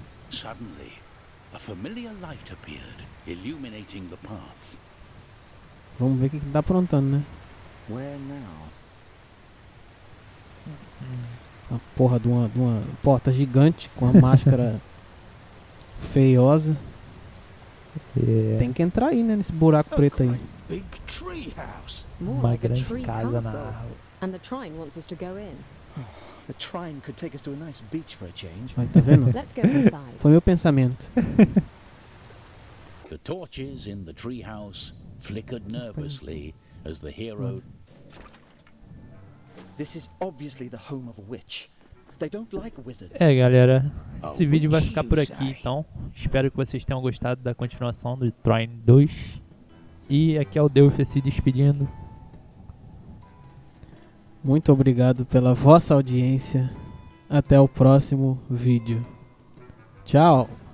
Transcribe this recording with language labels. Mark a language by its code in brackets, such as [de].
[en] Suddenly, a familiar light appeared, illuminating the path. [pt] Vamos ver o que ele tá aprontando, né? [en] Where now? [pt] A porra de uma porta gigante com a máscara feiosa. [en] Yeah. [pt] Tem que entrar aí, né? Nesse buraco preto aí. [en] Big tree house. [pt] Uma grande tree casa na árvore. [en] And the Trine wants us to go in. The Trine could take us to a nice beach for a change. [pt] Vai, tá vendo? Foi meu pensamento. [en] The torches in the treehouse flickered nervously as the hero. This is obviously the home of a witch. They don't like wizards. [pt] É, galera, esse vídeo vai ficar por aqui, então. Espero que vocês tenham gostado da continuação do Trine 2. E aqui é o Deus se despedindo. Muito obrigado pela vossa audiência. Até o próximo vídeo. Tchau!